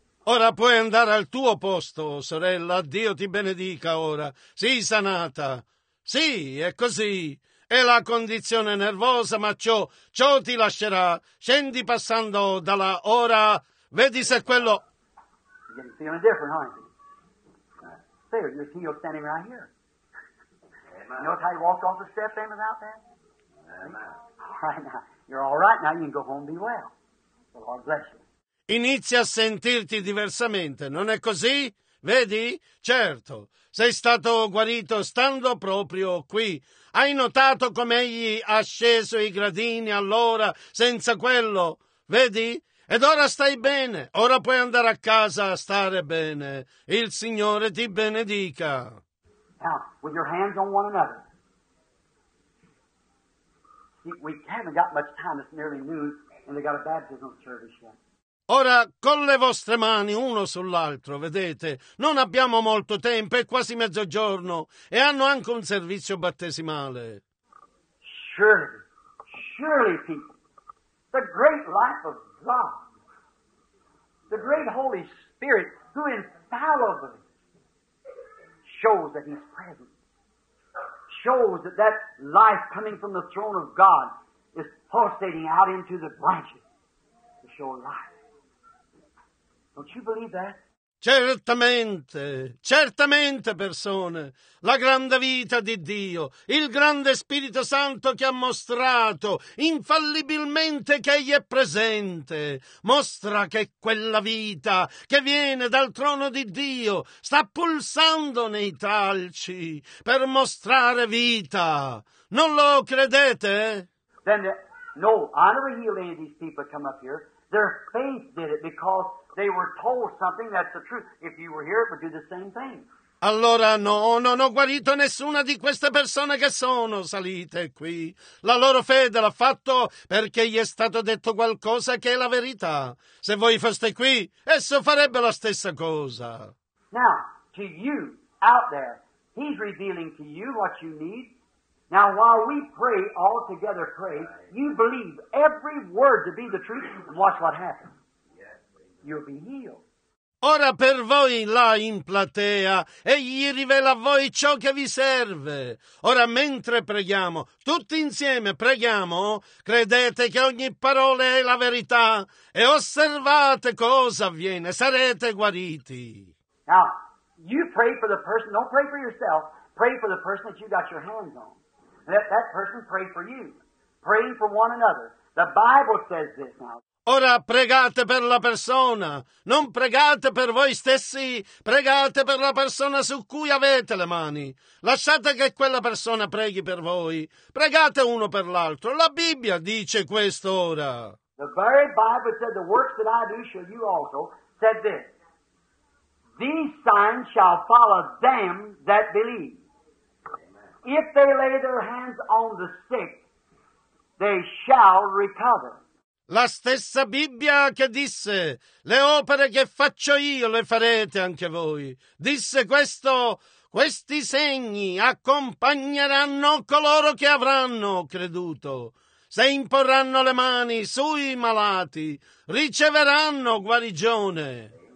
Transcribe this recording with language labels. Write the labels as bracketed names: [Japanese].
[Italian] Ora puoi andare al tuo posto, sorella. Dio ti benedica ora. Sii sanata. Sì, è così. È la condizione nervosa, ma ciò ti lascerà. Scendi passando dalla ora. Vedi se quello... [English] You're getting feeling different, aren't you? There, you see you're standing right here. Amen. You know how you walked off the steps in and out there? Amen. Right now, you're all right now. You can go home and be well. The Lord bless you. [Italian] Inizia a sentirti diversamente, non è così? Vedi? Certo, sei stato guarito stando proprio qui. Hai notato come egli ha sceso i gradini allora senza quello? Vedi? Ed ora stai bene, ora puoi andare a casa a stare bene. Il Signore ti benedica. [English] Now, with your hands on one another. We haven't got much time. It's nearly noon, and they got a baptismal service yet. [Italian] Ora, con le vostre mani, uno sull'altro, vedete, non abbiamo molto tempo, è quasi mezzogiorno, e hanno anche un servizio battesimale. [English] Surely, surely, people, the great life of God, the great Holy Spirit, who infallibly shows that he's present, shows that that life coming from the throne of God is pulsating out into the branches to show life. Don't you believe that? [Italian] Certamente, certamente persone, la grande vita di Dio, il grande Spirito Santo che ha mostrato infallibilmente che egli è presente, mostra che quella vita che viene dal trono di Dio sta pulsando nei talci per mostrare vita. Non lo credete? [English] Then no, I never heal any of these people come up here. Their faith did it because they were told something that's the truth. If you were here, it would do the same thing. [Italian] Allora no, non ho guarito nessuna di queste persone che sono salite qui. La loro fede l'ha fatto perché gli è stato detto qualcosa che è la verità. Se voi foste qui, esso farebbe la stessa cosa. [English] Now, to you out there, he's revealing to you what you need. Now, while we pray, all together pray, you believe every word to be the truth and watch what happens. You'll be healed. [Italian] Ora per voi là in platea, egli rivela a voi ciò che vi serve. Ora mentre preghiamo, tutti insieme preghiamo, credete che ogni parola è la verità e osservate cosa avviene, sarete guariti. [English] Now, you pray for the person, don't pray for yourself, pray for the person that you got your hands on. Let that person pray for you. Pray for one another. The Bible says this now. [Italian] Ora pregate per la persona, non pregate per voi stessi, pregate per la persona su cui avete le mani. Lasciate che quella persona preghi per voi, pregate uno per l'altro. La Bibbia dice questo ora. [English] The very Bible said the works that I do shall you also, said this, these signs shall follow them that believe. If they lay their hands on the sick, they shall recover. [Italian] La stessa Bibbia che disse, le opere che faccio io le farete anche voi. Disse questo, questi segni accompagneranno coloro che avranno creduto. Se imporranno le mani sui malati, riceveranno guarigione.